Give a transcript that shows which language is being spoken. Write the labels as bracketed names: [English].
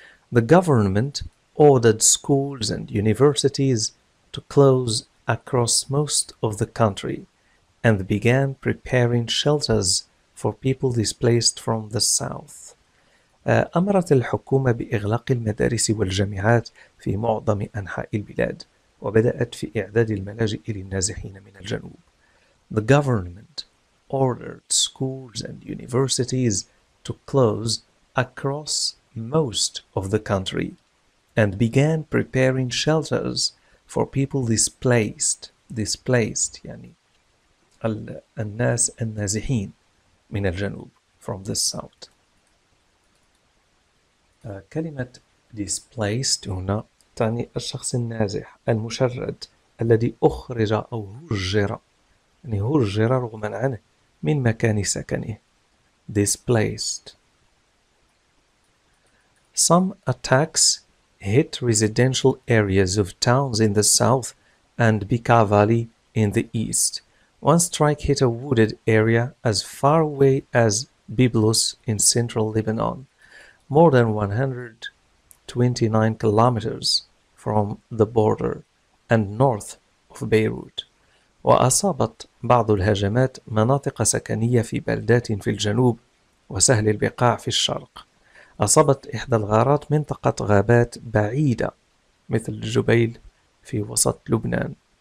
[English] The government ordered schools and universities to close across most of the country and began preparing shelters for people displaced from the south. [Arabic] أمرت الحكومة بإغلاق المدارس والجامعات في معظم أنحاء البلاد, وبدأت في إعداد الملاجئ للنازحين من الجنوب. [English] The government ordered schools and universities to close across most of the country and began preparing shelters for people displaced. [Arabic] Displaced يعني الناس النازحين من الجنوب, [English] from the south. [Arabic] كلمة displaced هنا تعني الشخص النازح المشرد الذي أخرج أو هجر, يعني هجر رغما عنه من مكان سكنه. [English] displaced. Some attacks hit residential areas of towns in the south and Bica Valley in the east. One strike hit a wooded area as far away as Byblos in central Lebanon, more than 129 kilometers from the border and north of Beirut. [Arabic] وأصابت بعض الهجمات مناطق سكنية في بلدات في الجنوب وسهل البقاع في الشرق. أصابت إحدى الغارات منطقة غابات بعيدة مثل جبيل في وسط لبنان.